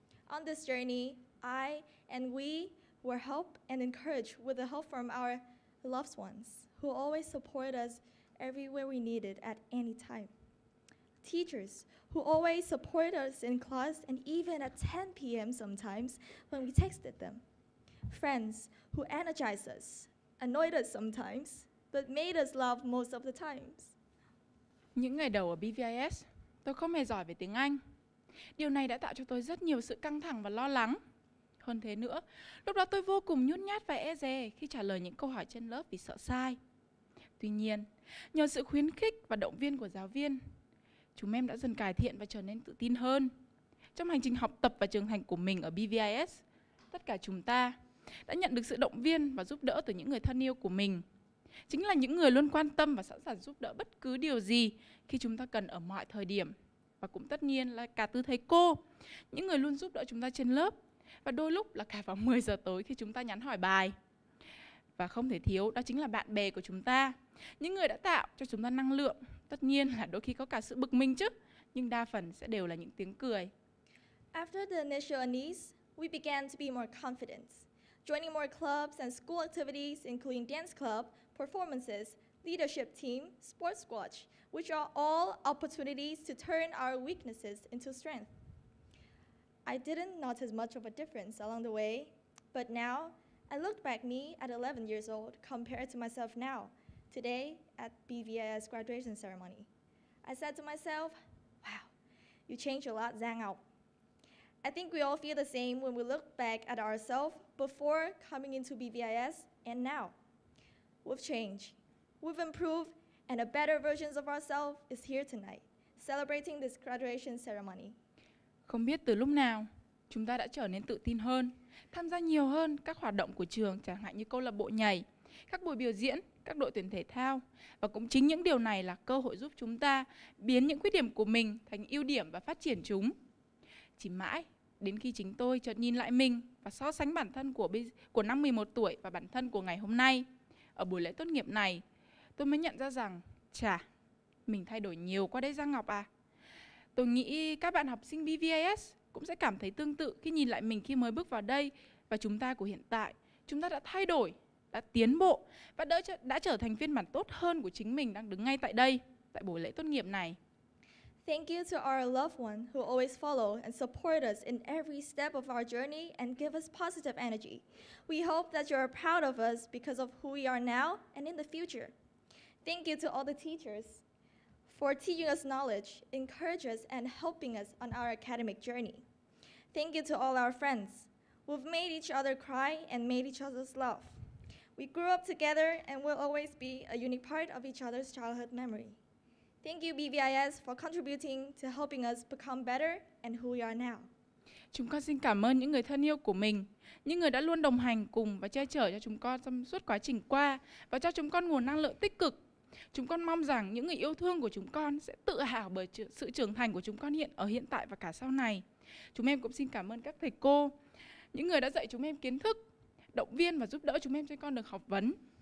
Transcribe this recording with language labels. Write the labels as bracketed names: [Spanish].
[English] On this journey, I and we were helped and encouraged with the help from our loved ones, who always support us everywhere we needed at any time. Teachers who always support us in class and even at 10 p.m. sometimes when we texted them. Friends who energize us, annoyed us sometimes, but made us laugh most of the times. [Vietnamese] Những ngày đầu ở BVIS, tôi không hề giỏi về tiếng Anh. Điều này đã tạo cho tôi rất nhiều sự căng thẳng và lo lắng. Hơn thế nữa, lúc đó tôi vô cùng nhút nhát và e dè khi trả lời những câu hỏi trên lớp vì sợ sai. Tuy nhiên, nhờ sự khuyến khích và động viên của giáo viên, chúng em đã dần cải thiện và trở nên tự tin hơn. Trong hành trình học tập và trưởng thành của mình ở BVIS, tất cả chúng ta đã nhận được sự động viên và giúp đỡ từ những người thân yêu của mình. Chính là những người luôn quan tâm và sẵn sàng giúp đỡ bất cứ điều gì khi chúng ta cần ở mọi thời điểm. Và cũng tất nhiên là cả từ thầy cô, những người luôn giúp đỡ chúng ta trên lớp. Và đôi lúc là cả vào 10 giờ tối khi chúng ta nhắn hỏi bài. Và không thể thiếu đó chính là bạn bè của chúng ta, những người đã tạo cho chúng ta năng lượng. Tất nhiên là đôi khi có cả sự bực mình chứ, nhưng đa phần sẽ đều là những tiếng cười. [English] After the initial unease, we began to be more confident, joining more clubs and school activities including dance club, performances, leadership team, sports squad, which are all opportunities to turn our weaknesses into strength. I didn't notice much of a difference along the way, but now I looked back me at 11 years old compared to myself now, today at BVIS graduation ceremony. I said to myself, wow, you changed a lot, Zhang Ngọc. I think we all feel the same when we look back at ourselves before coming into BVIS and now. We've changed, we've improved, and a better version of ourselves is here tonight, celebrating this graduation ceremony. [Vietnamese] Không biết từ lúc nào, chúng ta đã trở nên tự tin hơn, tham gia nhiều hơn các hoạt động của trường, chẳng hạn như câu lạc bộ nhảy, các buổi biểu diễn, các đội tuyển thể thao. Và cũng chính những điều này là cơ hội giúp chúng ta biến những khuyết điểm của mình thành ưu điểm và phát triển chúng. Chỉ mãi, đến khi chính tôi chợt nhìn lại mình và so sánh bản thân của năm 11 tuổi và bản thân của ngày hôm nay, ở buổi lễ tốt nghiệp này, tôi mới nhận ra rằng, chà, mình thay đổi nhiều quá đấy Giang Ngọc à. Tôi nghĩ các bạn học sinh BVIS cũng sẽ cảm thấy tương tự khi nhìn lại mình khi mới bước vào đây và chúng ta của hiện tại. Chúng ta đã thay đổi, đã tiến bộ và đã trở thành phiên bản tốt hơn của chính mình đang đứng ngay tại đây, tại buổi lễ tốt nghiệp này. [English] Thank you to our loved one who always follow and support us in every step of our journey and give us positive energy. We hope that you are proud of us because of who we are now and in the future. Thank you to all the teachers for teaching us knowledge, encouraging us, and helping us on our academic journey. Thank you to all our friends. We've made each other cry and made each other's love. We grew up together and will always be a unique part of each other's childhood memory. Thank you, BVIS, for contributing to helping us become better and who we are now. [Vietnamese] Chúng con xin cảm ơn những người thân yêu của mình, những người đã luôn đồng hành cùng và che chở cho chúng con trong suốt quá trình qua và cho chúng con nguồn năng lượng tích cực. Chúng con mong rằng những người yêu thương của chúng con sẽ tự hào bởi sự trưởng thành của chúng con hiện ở hiện tại và cả sau này. Chúng em cũng xin cảm ơn các thầy cô, những người đã dạy chúng em kiến thức, động viên và giúp đỡ chúng em cho con được học vấn.